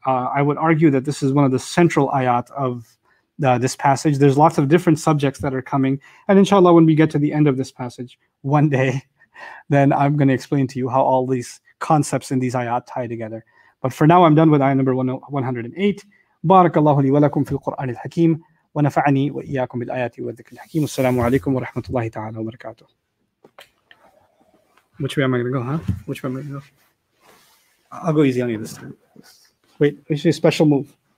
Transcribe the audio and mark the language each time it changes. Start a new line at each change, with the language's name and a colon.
English: I would argue that this is one of the central ayat of this passage. There's lots of different subjects that are coming. And inshallah, when we get to the end of this passage one day, then I'm going to explain to you how all these concepts in these ayat tie together. But for now, I'm done with ayah number 108.
Arabic: بارك الله لي ولكم في القرآن الحكيم ونفعني وإياكم بالآيات والذكر الحكيم. السلام عليكم ورحمة الله تعالى وبركاته.
English: Which way am I going to go, huh? Which way am I going to go? I'll go easy on you this time. Wait, this is a special move.